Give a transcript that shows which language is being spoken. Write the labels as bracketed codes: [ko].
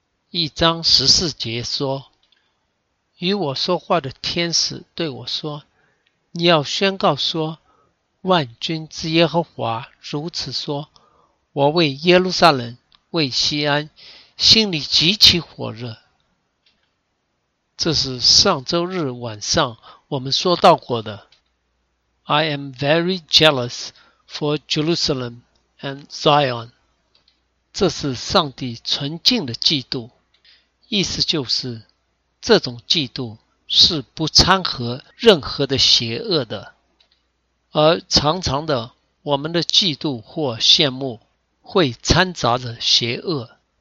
[zh] 一章十四节说，与我说话的天使对我说，你要宣告说，万军之耶和华如此说，我为耶路撒冷、为锡安心里极其火热。这是上周日晚上我们说到过的。 [en] I am very jealous for Jerusalem and Zion。 [zh] 这是上帝纯净的嫉妒，意思就是这种嫉妒是不掺和任何的邪恶的。而常常的，我们的嫉妒或羡慕会掺杂着邪恶。